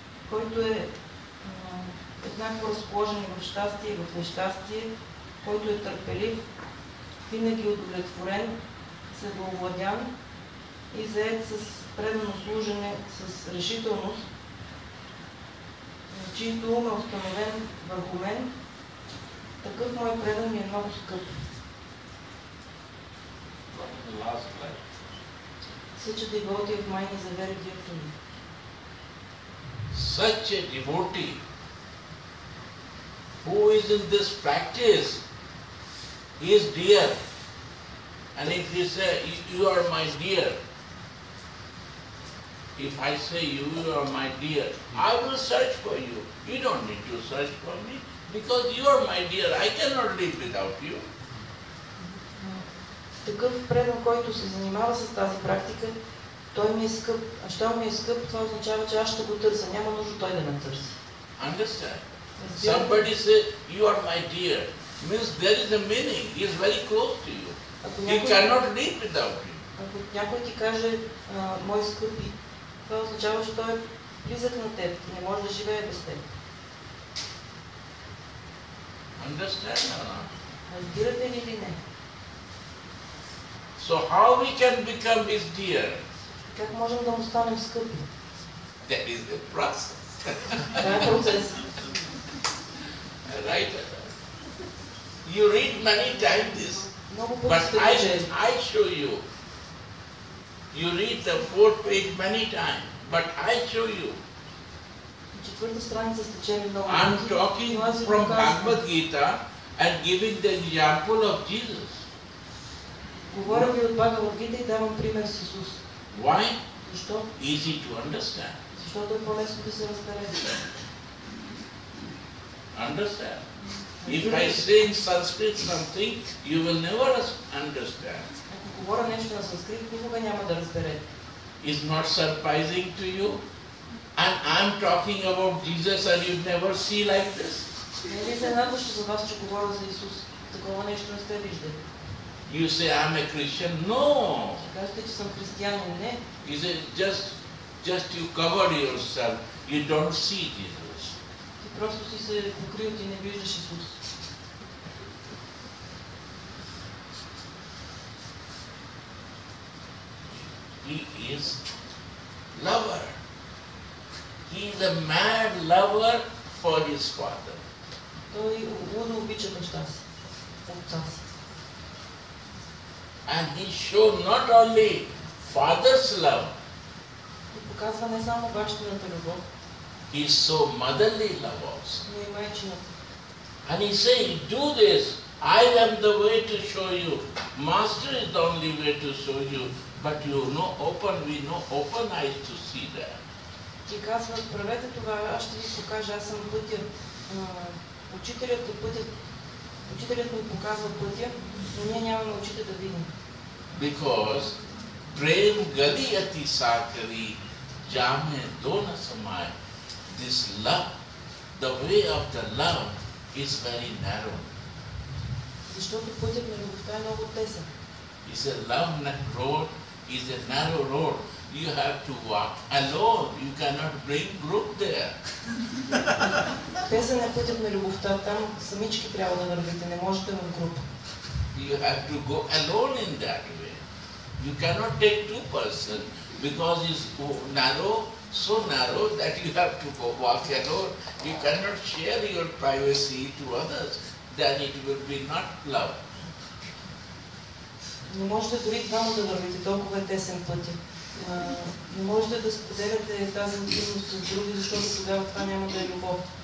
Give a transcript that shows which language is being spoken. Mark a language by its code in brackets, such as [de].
[bg] който е еднакво разположен в щастие и в нещастие, който е търпелив, винаги удовлетворен, себеовладян, и заед с предано служене, с решителност, чийто ум е установен върху мен, такъв мой предан ми е много скъп. [en] Such a devotee of mine is a very dear to me. Such a devotee who is in this practice, he is dear. And if you say, you are my dear, if I say you are my dear, I will search for you. You don't need to search for me because you are my dear. I cannot live without you. [bg] Такъв предан, който се занимава с тази практика, той ми е скъп. А що ми е скъп, това означава, че аз ще го търся. Няма нужда той да ме търси. [en] Understand? Somebody say you are my dear means there is a meaning. He is very close to you. He cannot live without you. [bg] Ако някой ти каже, мой скъпи, това означава, че той е близък на теб, не може да живее без теб. [en] Understand or not? [bg] Разбирате ли или не? [en] So how we can become his dear? [bg] Как можем да му станем скъпи? [en] That is the process. [bg] Това е процес. [en] Right? You read many times this. [bg] Много пъти сте вижели. [en] But I show you. You read the fourth page many times. But I show you. [bg] четвърта страница стече много. [en] I'm talking from Bhagavad Gita and giving the example of Jesus. [bg] Говоря ви от Бхагавад Гита и давам пример с Исус. [en] Why? [bg] Защо? [en] Easy to understand. [bg] Защото е по-лесно да се разбере. [en] Understand? If I say in Sanskrit something, you will never understand. [bg] Ако говоря нещо на санскрит, никога няма да разберете. [en] Is not surprising to you? And I'm talking about Jesus and you never see like this. [bg] Не ли се надуша за вас, че говоря за Исус? Такова нещо не сте виждали. [en] You say I'm a Christian? No. [bg] Кажете, че съм християн, но не. [en] You say just you cover yourself, you don't see Jesus. [bg] Просто си се покрил и не виждаш Исус. [en] He is lover. He is a mad lover for his father. [bg] Той луда обича баща си, отца си. [en] And he show not only father's love. [bg] Той показва не само бащината любов. [en] He is so motherly love also. [bg] Не майчина. [en] And he saying, do this, I am the way to show you. Master is the only way to show you, but you know, open, we know, open eyes to see that. [bg] Ти казва, правете това, аз ще ви покажа, аз съм пътя. Учителят ми показва пътя, но ние нямаме очите да видим. [hi] Because, prem gadi ati sakari, jame dona samaya. [en] This love, the way of the love is very narrow. [bg] Защото пътят на любовта е много тесен. [en] It's a love road, is a narrow road. You have to walk alone. You cannot bring group there. [bg] Тесен е пътят на любовта, там самички трябва да вървите, не можете в група. [en] You have to go alone in that way. You cannot take two persons because it's narrow. So narrow that you have to go walk alone. You cannot share your privacy to others. Then it will be not love. [bg] Не можете дори двама да вървите, толкова е тесен пътя. Не можете да споделяте тази интимност с други, защото тогава това няма да е любов.